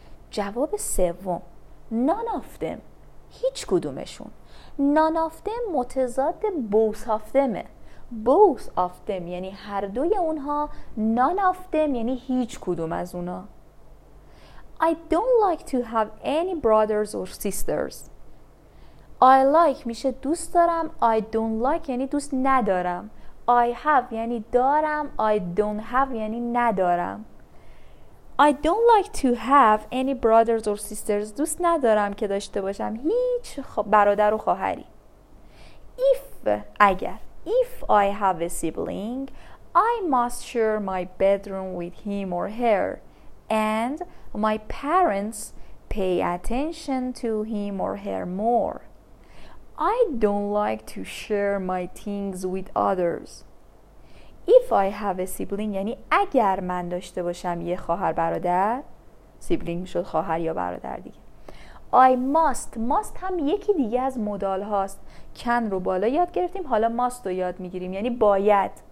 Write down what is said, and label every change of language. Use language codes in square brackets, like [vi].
[fa] جواب سوم [en] none of them، [fa] هیچ کدومشون. [en] none of them [fa] متضاد [en] both of themه. both of them [fa] یعنی هر دوی اونها. [en] none of them [fa] یعنی هیچ کدوم از اونا. [en] I don't like to have any brothers or sisters. I like [fa] میشه دوست دارم. [en] I don't like [fa] یعنی دوست ندارم. [en] I have [fa] یعنی دارم. [en] I don't have [fa] یعنی ندارم. [en] I don't like to have any brothers or sisters. [fa] دوست ندارم که داشته باشم هیچ برادر و خواهری. [en] if [fa] اگر [en] If I have a sibling, I must share my bedroom with him or her, and my parents pay attention to him or her more. I don't like to share my things with others. If I have a sibling, [fa] یعنی اگر من داشته باشم یه خواهر برادر، [en] sibling [fa] شد خواهر یا برادر دیگه. [en] I must [fa] هم یکی دیگه از مدال هاست. [en] can [fa] رو بالا یاد گرفتیم، حالا [en] must [fa] رو یاد میگیریم، یعنی باید.